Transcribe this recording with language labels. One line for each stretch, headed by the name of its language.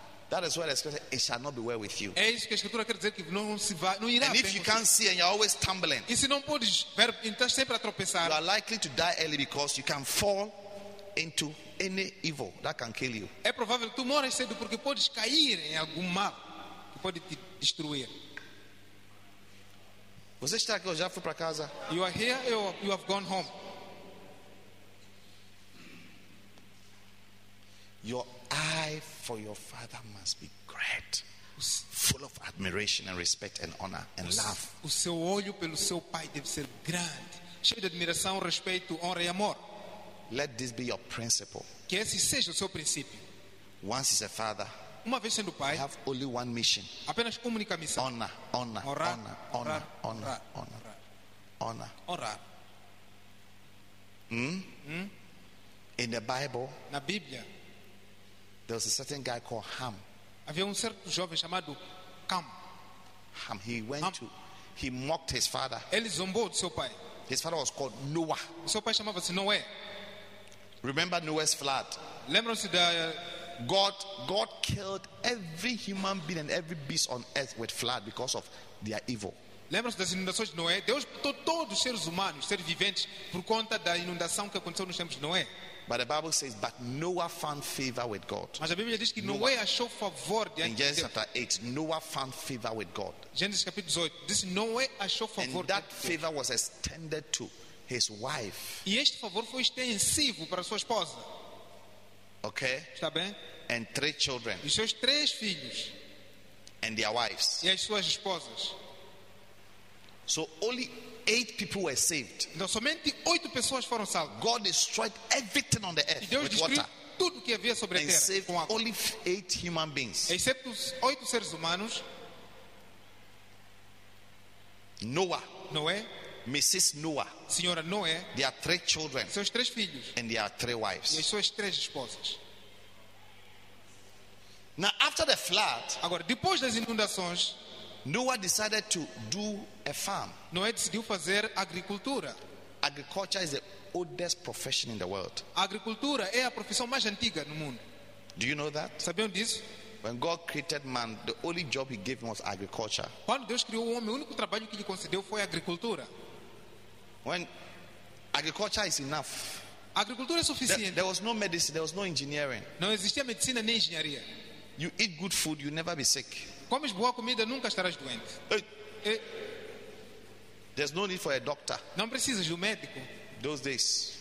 English: That is what the scripture says, it shall not be well with you.
Portuguese: É isso que a escritura quer dizer, que não se vai, não irá bem.
English: And if you can't see and you're always stumbling,
Portuguese: e se não podes ver, então sempre a tropeçar.
English: You are likely to die early because you can fall into any evil that can kill you.
Portuguese: É provável que tu morras cedo porque podes cair em algum mal que pode te destruir. Você está aqui ou já foi para casa?
English: You are here or you have gone home? Your eye for your father must be great, full of admiration and respect and honor and love.
Portuguese: O seu olho pelo seu pai deve ser grande, cheio de admiração, respeito, honra e amor.
English: Let this be your principle.
Portuguese: Que esse seja o seu princípio.
English: Once is a father.
Portuguese: Uma vez sendo pai,
English: I have only one mission.
Portuguese: Apenas uma única missão.
English: Honor, honor,
Portuguese: orar,
English: honor, honor, honor, honor, honor, honor.
Portuguese: Orar.
English: In the Bible,
Portuguese: na Bíblia,
English: there was a certain guy called Ham.
Portuguese: Havia certo jovem chamado Cam.
English: Ham, he went Ham. To, he mocked his father.
Portuguese: Ele zombou do seu pai.
English: His father was called Noah.
Portuguese: O seu pai chamava-se Noé.
English: Remember Noah's flood.
Portuguese: Lembram-se da
English: God killed every human being and every beast on earth with flood because of their evil.
Portuguese: Lembram-se das inundações de Noé? Deus matou todos os seres humanos, os seres viventes, por conta da inundação que aconteceu nos tempos de Noé.
English: But the Bible says, but Noah found favor with God.
Portuguese: Mas a Bíblia diz que Noé achou favor diante de Deus.
English: In Genesis chapter 8, Noah found favor with God.
Portuguese: Gênesis capítulo 18, diz que Noé achou favor.
English: And that
Portuguese: diante
English: favor
Portuguese: Deus
English: was extended to his wife.
Portuguese: E este favor foi extensivo para sua esposa.
English: Okay.
Portuguese: Está bem?
English: And three children.
Portuguese: E seus três filhos.
English: And their wives.
Portuguese: E as suas esposas.
English: So only eight people were saved.
Portuguese: Então somente oito pessoas foram salvas.
English: God destroyed everything on the earth
Portuguese: e Deus
English: with water.
Portuguese: Tudo que havia sobre a
English: and
Portuguese: terra
English: saved
Portuguese: com água.
English: Only eight human beings.
Portuguese: Excepto os oito seres humanos.
English: Noah.
Portuguese: Noé.
English: Mrs. Noah.
Portuguese: Senhora Noé.
English: Their three children.
Portuguese: Seus três filhos.
English: And their three wives.
Portuguese: E suas três esposas.
English: Now after the flood.
Portuguese: Agora depois das inundações,
English: Noah decided to do a farm.
Portuguese: Noé decidiu fazer agricultura.
English: Agriculture is the oldest profession in the world.
Portuguese: Agricultura é a profissão mais antiga no mundo.
English: Do you know that?
Portuguese: Sabiam disso?
English: When God created man, the only job he gave him was agriculture.
Portuguese: Quando Deus criou o homem, o único trabalho que lhe concedeu foi agricultura.
English: When agriculture is enough.
Portuguese: Agricultura é suficiente.
English: There was no medicine, there was no engineering.
Portuguese: Não existia medicina nem engenharia.
English: You eat good food, you never be sick.
Portuguese: Comes boa comida, nunca estarás doente.
English: There's no need for a doctor.
Portuguese: Não precisa de médico.
English: Those days.